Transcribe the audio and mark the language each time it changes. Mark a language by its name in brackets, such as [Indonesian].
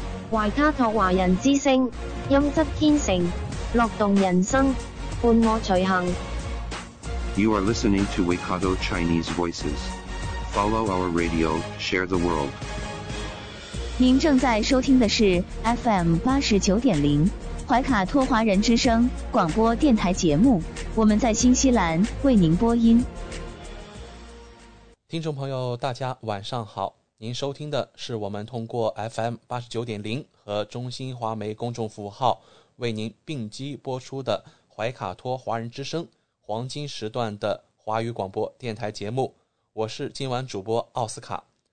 [Chinese] 怀卡托华人之声 音质天成 乐动人生 伴我随行 [English] You are listening to Waikato Chinese Voices. Follow our radio, share the world. [Chinese] 您正在收听的是 FM89.0 怀卡托华人之声 广播电台节目 我们在新西兰为您播音听众朋友大家晚上好，您收听的是我们通过 FM89.0 和中新华媒公众服务号为您并机播出的怀卡托华人之声黄金时段的华语广播电台节目，我是今晚主播奥斯卡。